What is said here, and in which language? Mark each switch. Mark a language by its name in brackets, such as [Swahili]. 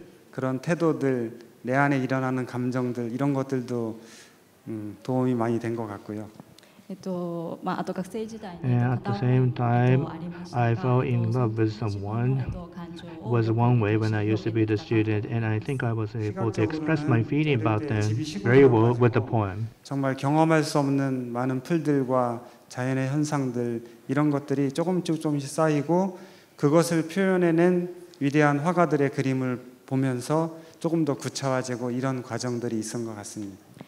[Korean] 그런 태도들, 내 안에 일어나는 감정들 이런 것들도 도움이 많이 된 것 같고요. 또 학생 시절에 [English] And at the same time, I fell in love with someone. It was one way when I used to be the student, and I think I was able to express my feeling about them very well with the poem. [Korean] 정말 경험할 수 없는 많은 풀들과 자연의 현상들 이런 것들이 조금씩 쌓이고 그것을 표현해낸 위대한 화가들의 그림을 보면서 조금 더 구체화되고 이런 과정들이 있었던 것 같습니다.